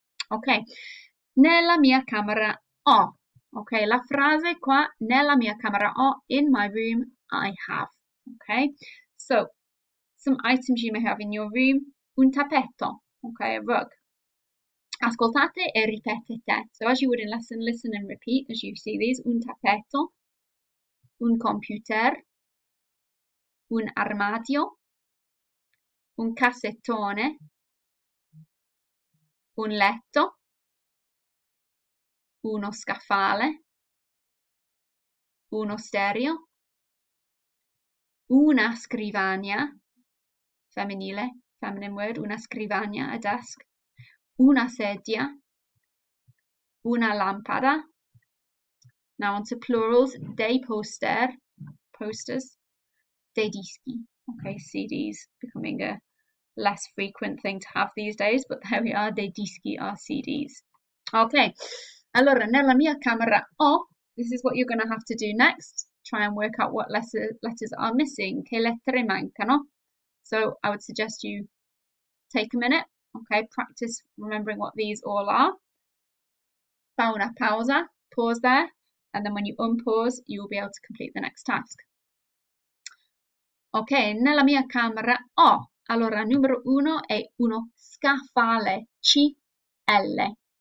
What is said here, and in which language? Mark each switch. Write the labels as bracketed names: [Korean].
[Italian] Okay, nella mia camera ho. Okay, la frase qua, nella mia camera ho, [English] in my room I have. Okay, so some items you may have in your room, [Italian] un tappeto, [English] okay, a rug. [Italian] Ascoltate e ripetete. [English] So as you would in lesson, listen and repeat as you see these, un tappeto, un computer. [Italian] Un armadio, un cassettone, un letto, uno scaffale, uno stereo, una scrivania, femminile, [English] feminine word, [Italian] una scrivania, [English] a desk, [Italian] una sedia, una lampada. [English] Now on to plurals, dei poster, posters. Dei dischi. Okay, CDs becoming a less frequent thing to have these days, but there we are, dei dischi are CDs. Okay, [Italian] allora, nella mia camera ho, [English] this is what you're going to have to do next. Try and work out what letters are missing, [Italian] che lettere mancano. [English] So I would suggest you take a minute, okay, practice remembering what these all are. [Italian] Fa una pausa, [English] pause there, and then when you unpause, you'll be able to complete the next task. [Italian] Ok, nella mia camera ho, allora numero uno è uno scaffale, CL.